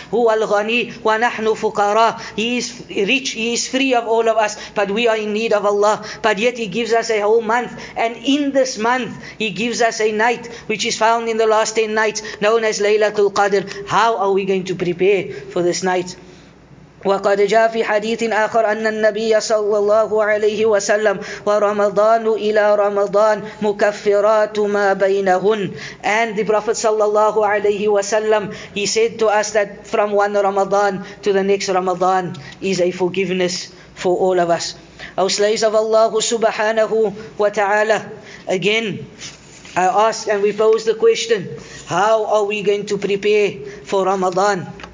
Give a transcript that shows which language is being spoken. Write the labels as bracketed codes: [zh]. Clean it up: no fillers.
[ar] Huwa al-ghani wa nahnu fuqara. [en] He is rich, he is free of all of us, but we are in need of Allah. But yet he gives us a whole month, and in this month he gives us a night which is found in the last 10 nights known as Laylatul Qadr. How are we going to prepare for this night? [ar] وقد جاء في حديث آخر أن النبي صلى الله عليه وسلم ورمضان إلى رمضان مكفرات ما بينهن. [en] And the Prophet صلى الله عليه وسلم, he said to us that from one Ramadan to the next Ramadan is a forgiveness for all of us. O slaves of Allah subhanahu wa ta'ala, again I ask and we pose the question, how are we going to prepare for Ramadan?